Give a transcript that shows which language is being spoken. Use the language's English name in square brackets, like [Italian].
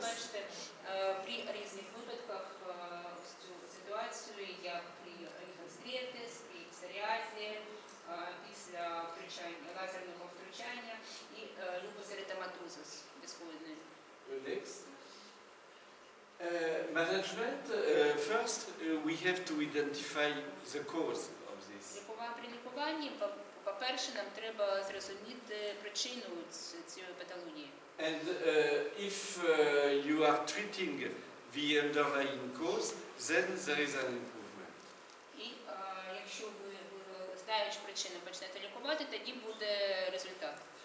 [Ukrainian] Бачите, при різних випадках цю ситуацію, як при ріхонстріатис, при псоріазі, після втручання, лазерного втручання і лупус еритематозус безкоїдний. [English] Next. Management. First, we have to identify the cause of this. [Ukrainian] При лікуванні, по-перше, нам треба зрозуміти причину цієї патології. [English] And if you are treating the underlying cause, then there is an improvement. [Ukrainian] І якщо ви, знаючи причину, почнете лікувати, тоді буде результат.